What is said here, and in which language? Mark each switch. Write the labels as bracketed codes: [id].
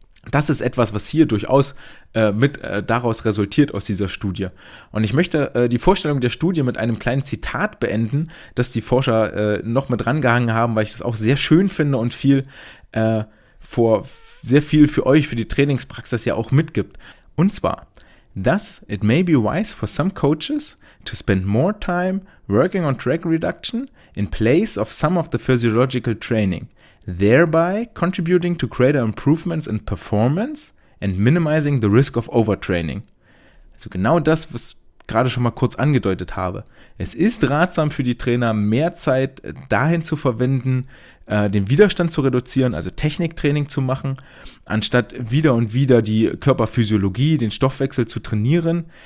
[de] Das ist etwas, was hier durchaus daraus resultiert aus dieser Studie. Und ich möchte die Vorstellung der Studie mit einem kleinen Zitat beenden, das die Forscher noch mit rangehangen haben, weil ich das auch sehr schön finde und sehr viel für euch, für die Trainingspraxis ja auch mitgibt. Und zwar: [en] Thus, it may be wise for some coaches to spend more time working on drag reduction in place of some of the physiological training, thereby contributing to greater improvements in performance and minimizing the risk of overtraining. [de] Also genau das, was gerade schon mal kurz angedeutet habe. Es ist ratsam für die Trainer, mehr Zeit dahin zu verwenden, den Widerstand zu reduzieren, also Techniktraining zu machen, anstatt wieder und wieder die Körperphysiologie, den Stoffwechsel zu trainieren.